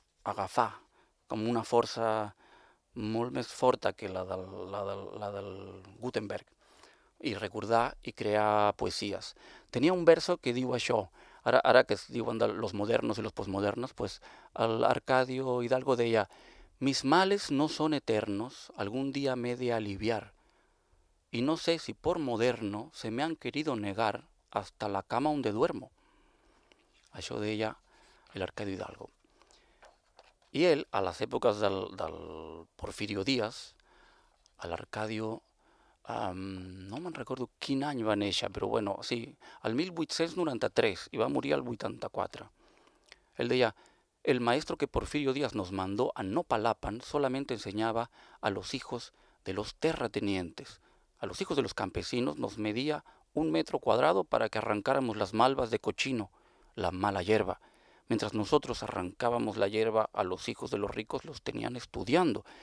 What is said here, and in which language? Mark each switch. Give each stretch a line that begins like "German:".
Catalan: agafar com una força molt més forta que la del Gutenberg, i recordar i crear poesies. Tenia un verso que diu això, ara que es diuen de los modernos i los postmodernos, pues el Arcadio Hidalgo deia:
Spanish: mis males no son eternos, algún día me he de aliviar, y no sé si por moderno se me han querido negar hasta la cama donde duermo.
Catalan: Això deia el Arcadio Hidalgo. I ell, a les èpoques del Porfirio Díaz, a l'Arcadio, no me'n recordo quin any va néixer, però bueno, sí, el 1893, i va morir el 84.
Spanish: Ell deia: el maestro que Porfirio Díaz nos mandó a Nopalapan solamente enseñaba a los hijos de los terratenientes. A los hijos de los campesinos nos medía 1 metro cuadrado para que arrancáramos las malvas de cochino, la mala hierba. Mientras nosotros arrancábamos la hierba, a los hijos de los ricos los tenían estudiando.